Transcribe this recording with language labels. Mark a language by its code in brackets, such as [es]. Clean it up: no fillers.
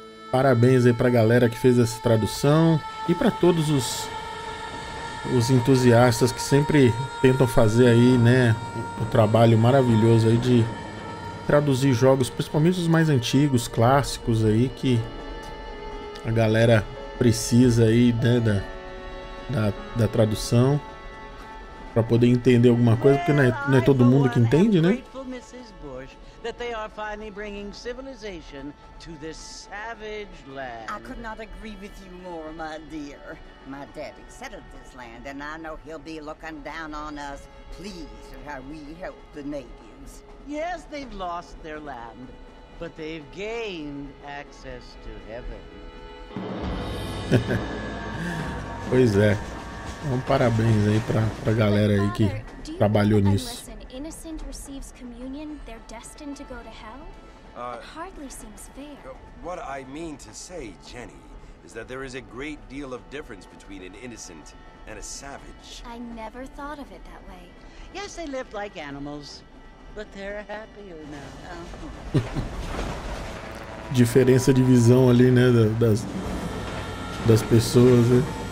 [pt] Parabéns aí para a galera que fez essa tradução e para todos os entusiastas que sempre tentam fazer aí, né, o trabalho maravilhoso aí de traduzir jogos, principalmente os mais antigos, clássicos aí, que a galera precisa aí, né, da tradução para poder entender alguma coisa, porque não é todo mundo que entende, né? [en] That they are finally bringing civilization to this savage land. I could not agree with you more, my dear. My daddy settled this land, and I know he'll be looking down on us, pleased at how we help the natives. Yes, they've lost their land, but they've gained access to heaven. [pt] Pois é. Um parabéns aí pra galera aí que trabalhou nisso. [en] Innocent receives communion, they're destined to go to hell? It hardly seems fair. What I mean to say, Jenny, is that there is a great deal of difference between an innocent and a savage. I never thought of it that way. Yes, they lived like animals, but they're happier now. [pt] Diferença de visão ali, né, das pessoas, né?